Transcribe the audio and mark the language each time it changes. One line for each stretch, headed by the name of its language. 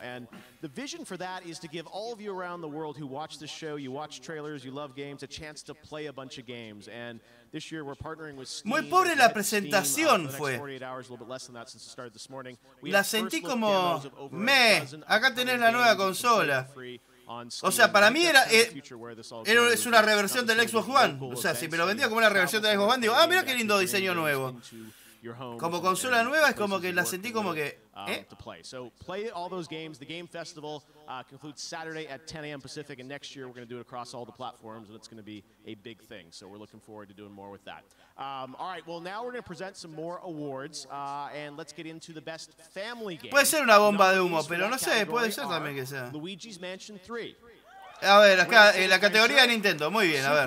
English: And the vision for that is to give all of you around the world who watch the show, you watch trailers, you love games, a chance to play a bunch of games. And this year we're partnering with Steam.
Spanish: Muy pobre la presentación fue.
English: 48 hours, a little bit less than that since it started this morning.
Spanish: La sentí como... ¡Meh! Acá tenés la nueva consola. O sea, para mí es una reversión del Xbox One. O sea, si me lo vendía como una reversión del Xbox One, digo, ah, mira qué lindo diseño nuevo. Como consola nueva es como que la sentí como que,
English: to play. So play all those games. The Game Festival concludes Saturday at 10 a.m. Pacific, and next year we're going to do it across all the platforms, and it's going to be a big thing. So we're looking forward to doing more with that. All right, well, now we're going to present some more awards, and let's get into the best family game.
Spanish: Puede ser una bomba de humo, pero no sé, puede ser también que sea.
English: Luigi's Mansion 3.
Spanish: A ver, acá, la categoría de Nintendo, muy bien, a ver.